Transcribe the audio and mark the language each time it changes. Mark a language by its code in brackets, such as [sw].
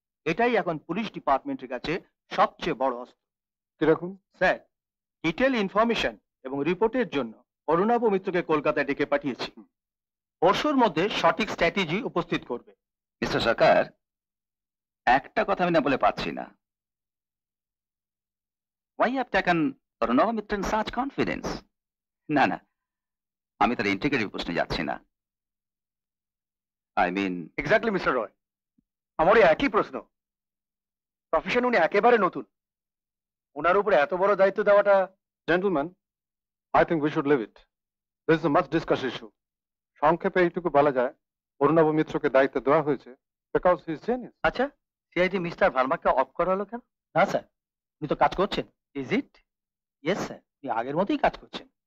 [bn] এটাই এখন পুলিশ ডিপার্টমেন্টের কাছে সবচেয়ে বড় অস্ত্র। কিরকম স্যার? ডিটেল ইনফরমেশন এবং রিপোর্টের জন্য অরুণাবু মিত্রকে কলকাতায় ডেকে পাঠিয়েছি, পরশুর মধ্যে সঠিক স্ট্র্যাটেজি উপস্থিত করবে। মিস্টার সরকার, একটা কথা আমি না বলে পাচ্ছি না। [en] Why have taken Pranav Mitra in such confidence? [bn] না না, আমি তার ইন্টিগ্রিটি প্রশ্নে যাচ্ছি না। [en] I mean... Exactly, Mr. Roy. [bn] আমারই একই প্রশ্ন। প্রফেশন উনি একেবারে নতুন। ওনার উপরে এত বড় দায়িত্ব দেওয়াটা... [en] Gentlemen, I think we should leave it. This is a much discussed issue. [bn] সংক্ষেপে এইটুকু বলা যায়, অরুণাভ মিত্রকে দায়িত্ব দেওয়া হয়েছে [en] because he is genius. [bn] আচ্ছা, সিআইডি মিস্টার ভার্মাকে অফ করালো কেন? না স্যার, উনি তো কাজ করছেন। [en] Is it? [bn] Yes, স্যার, উনি আগের মতোই কাজ করছেন।